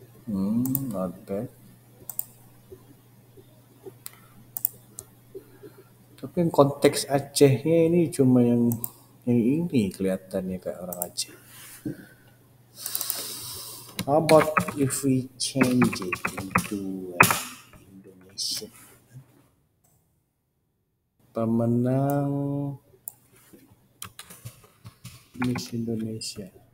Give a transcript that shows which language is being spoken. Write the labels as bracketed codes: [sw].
[en] Not bad. [id] Tapi yang konteks Acehnya ini cuma yang Yang ini kelihatannya kayak orang Aceh. [en] How about if we change it into Indonesian? [id] Pemenang Miss Indonesia.